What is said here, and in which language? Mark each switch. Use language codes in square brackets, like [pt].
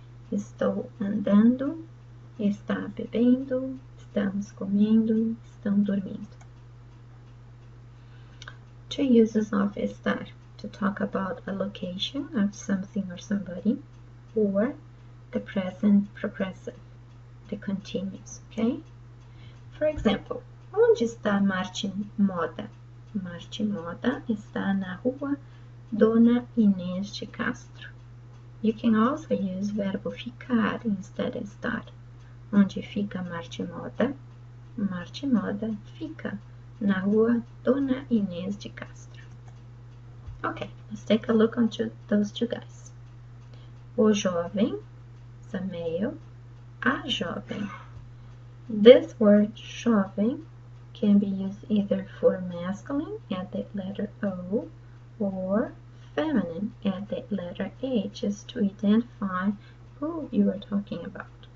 [pt] Estou andando, está bebendo, estamos comendo, estão dormindo. [en] Two uses of estar, to talk about a location of something or somebody, or the present progressive, the continuous, okay? For example, [pt] onde está Martin Moda? Martin Moda está na rua Dona Inês de Castro. [en] You can also use [pt] verbo ficar [en] instead of estar. [pt] Onde fica Martin Moda? Martin Moda fica na rua Dona Inês de Castro. [en] Okay, let's take a look on those two guys. [pt] O jovem, [en] the male, [pt] a jovem. [en] This word jovem can be used either for masculine at the letter O or feminine at the letter H, is to identify who you are talking about.